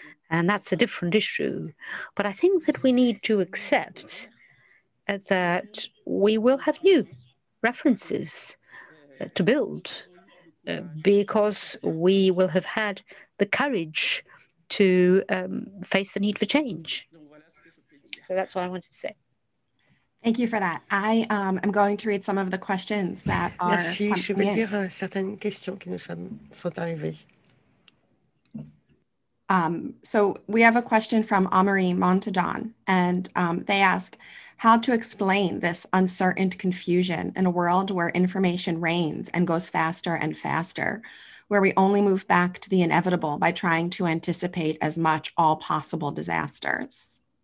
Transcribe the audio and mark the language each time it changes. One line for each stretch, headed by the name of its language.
English: And that's a different issue. But I think that we need to accept that we will have new references to build because we will have had the courage to face the need for change. So that's what I wanted to say. Thank you for that. I am going to read some of the questions that are coming in.
French: Merci. Je vais lire certaines questions qui nous sont arrivées.
English: So we have a question from Amory Montadon, and they ask, how to explain this uncertain confusion in a world where information reigns and goes faster and faster, where we only move back to the inevitable by trying to anticipate as much all possible disasters?